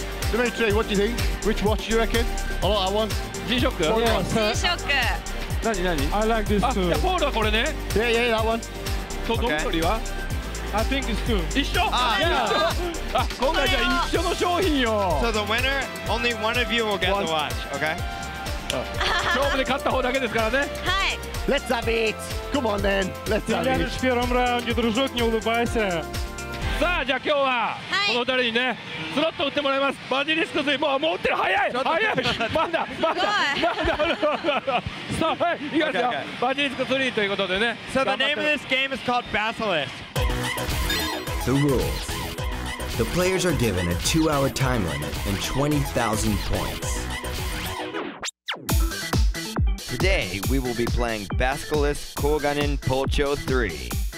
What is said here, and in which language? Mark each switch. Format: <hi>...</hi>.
<en>Dimitri, what do you think? Which watch do you reckon? Oh, I want G-SHOCK. G-SHOCK.</en> <ja>何何</ja> <en>I like this too.</en> <ja>あ、ポールはこれね。</ja> <en>Yeah, yeah, that one.</en> <ja>と、okay. ドミトリは</ja> <en>I think it's too.</en> <ja>一緒</ja> <en>Yeah.</en> <ja>あ、今回じゃ一緒の商品よ。</ja> <en>So the winner, only one of you will get the watch, okay?</en> <ja>勝負で勝った方だけですからね。はい。</ja> <en>Let's have it! Come on then! Let's have it!</en> <ru>Я лишь в первом раунде, дружок, не улыбайся!</ru> <ja>さあ、じゃあ今日はこの2人にね、スロット打ってもらいます。バジリスクスイ、もう持ってる早い早いまだ さあ、いきますよ。バジリスクスリーということでね。</ja> <en>So the name of this game is called Basilisk. The rules. The players are given a 2-hour time limit and 20,000 points. Today, we will be playing Basilisk Koga Nimpocho 3.</en>